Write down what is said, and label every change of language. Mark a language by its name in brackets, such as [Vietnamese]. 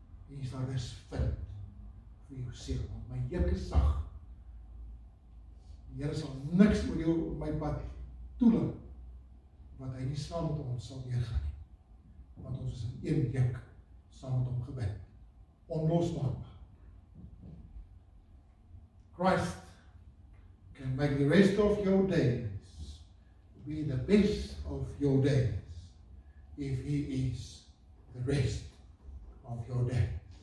[Afrikaans] En jy sal rus vind vir jou siel. My juk is sag. Die Here sal niks oor jou op my pad toelaat wat hy nie saam met ons sal deurgaan nie. Want ons is in een juk saam met hom gebind. Onlosmaakbaar. [English] Christ can make the rest of your days be the best of your days if he is the rest of your days.